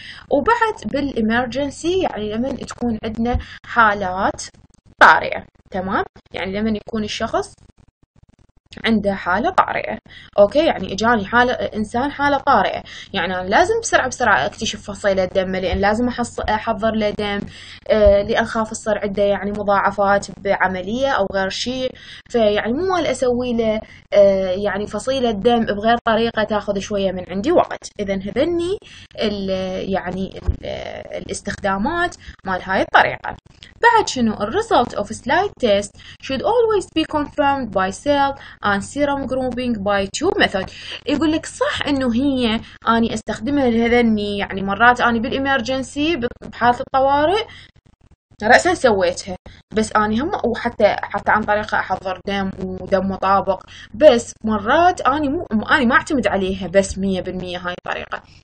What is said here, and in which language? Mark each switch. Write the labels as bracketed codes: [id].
[ar] وبعد بالإمرجنسي يعني لما تكون عندنا حالات طارئة، تمام؟ يعني لما يكون الشخص عنده حالة طارئة، اوكي؟ يعني اجاني حالة انسان حالة طارئة، يعني انا لازم بسرعة بسرعة اكتشف فصيلة الدم، لان لازم احضر له دم، لان خاف تصير عنده يعني مضاعفات بعملية او غير شيء، فيعني مو مال اسوي له يعني فصيلة الدم بغير طريقة تاخذ شوية من عندي وقت. اذا هذني يعني الاستخدامات مال هاي الطريقة. بعد شنو؟ [en] الريزلت of slide test should always be confirmed by cell and serum grouping by tube method. [ar] يقول لك صح انه هي اني استخدمها لهذني، يعني مرات اني بالامرجنسي بحالة الطوارئ رأسا سويتها، بس اني هم وحتى حتى عن طريقة احضر دم ودم مطابق، بس مرات اني مو اني ما اعتمد عليها بس 100% هاي الطريقة،